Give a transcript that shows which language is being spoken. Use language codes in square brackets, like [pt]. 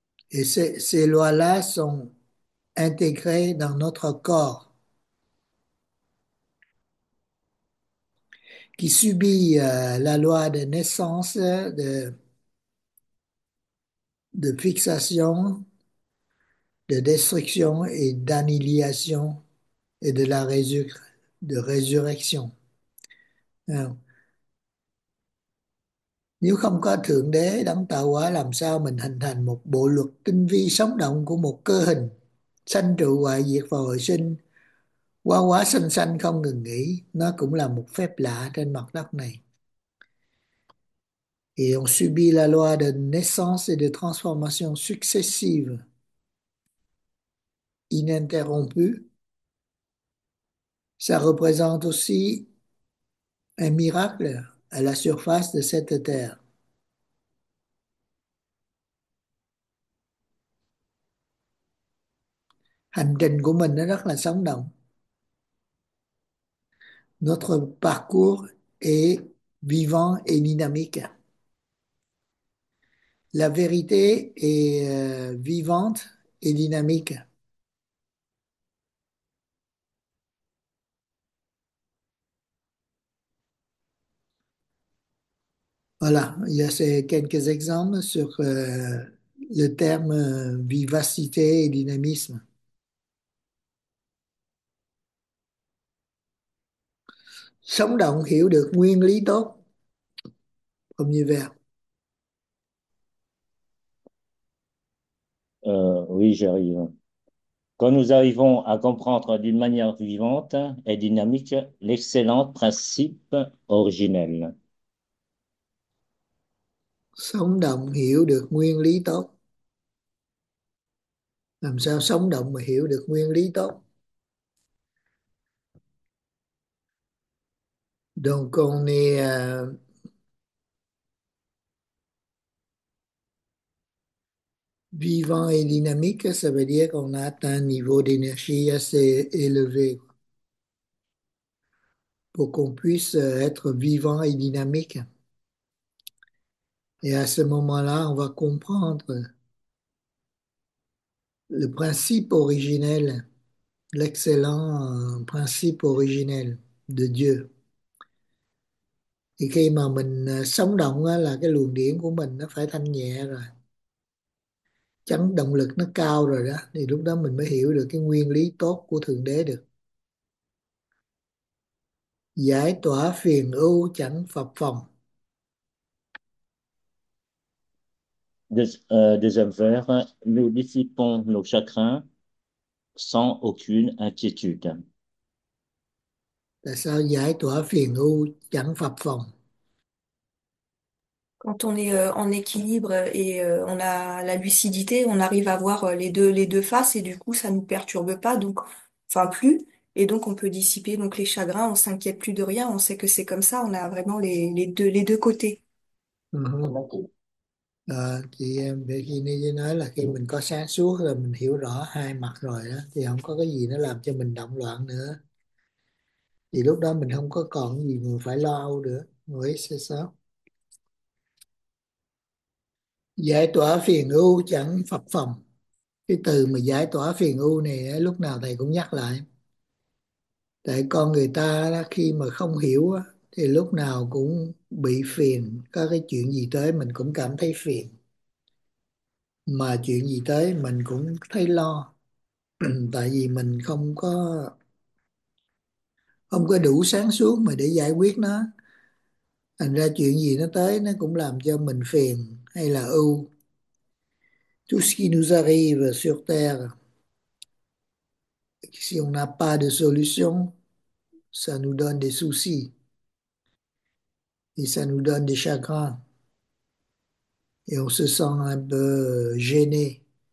[fr] Et ces lois-là sont intégrées dans notre corps, qui subit la loi de naissance, de fixation, de destruction et d'annihilation et de la résurrection. [vi] Nếu không có Thượng Đế đấng tạo hóa, làm sao mình hình thành một bộ luật tinh vi sống động của một cơ hình sanh trụ hoại diệt và hồi sinh, hóa hóa sanh sanh không ngừng nghỉ? Nó cũng là một phép lạ trên mặt đất này. [fr] Et on subit la loi de naissance et de transformation successive, ininterrompue. Ça représente aussi un miracle à la surface de cette terre. [vi] Hành trình của mình nó rất là sống động. [fr] Notre parcours est vivant et dynamique. La vérité est vivante et dynamique. Voilà, il y a ces quelques exemples sur le terme vivacité et dynamisme. [vi] Sống động, hiểu được nguyên lý tốt, không như vậy. [fr] Oui, j'arrive. Quand nous arrivons à comprendre d'une manière vivante et dynamique l'excellent principe originel. [vi] Sống động, hiểu được nguyên lý tốt. Làm sao sống động mà hiểu được nguyên lý tốt? [fr] Donc on est vivant et dynamique, ça veut dire qu'on a atteint un niveau d'énergie assez élevé pour qu'on puisse être vivant et dynamique. Et à ce moment-là, on va comprendre le principe originel, l'excellent principe originel de Dieu. [vi] Thì khi mà mình sống động là cái luồng điển của mình nó phải thanh nhẹ rồi, chấn động lực nó cao rồi đó, thì lúc đó mình mới hiểu được cái nguyên lý tốt của Thượng Đế được. Giải tỏa phiền ưu chẳng phập phồng. [fr] Deuxième vers, nous dissipons nos chagrins sans aucune inquiétude. [vi] Tại sao giải tỏa phiền ưu chẳng phập phồng? [fr] Quand on est en équilibre et on a la lucidité, on arrive à voir les deux faces et du coup ça nous perturbe pas, donc enfin plus, et donc on peut dissiper donc les chagrins, on s'inquiète plus de rien, on sait que c'est comme ça, on a vraiment les deux côtés. [vi] Chị em Virginie nói là khi mình có sáng suốt rồi, mình hiểu rõ hai mặt rồi đó, thì không có cái gì nó làm cho mình động loạn nữa, thì lúc đó mình không có còn gì mà phải lo âu nữa. Nói sao sao giải tỏa phiền ưu chẳng phập phồng, cái từ mà giải tỏa phiền ưu này lúc nào thầy cũng nhắc lại, tại con người ta khi mà không hiểu á thì lúc nào cũng bị phiền, có cái chuyện gì tới mình cũng cảm thấy phiền, mà chuyện gì tới mình cũng thấy lo, tại vì mình không có đủ sáng suốt mà để giải quyết nó, thành ra chuyện gì nó tới nó cũng làm cho mình phiền hay là ưu. [fr] Tout ce qui nous arrive sur terre, si on n'a pas de solution, ça nous donne des soucis. Et ça nous donne des chagrins. Et on se sent un peu gêné.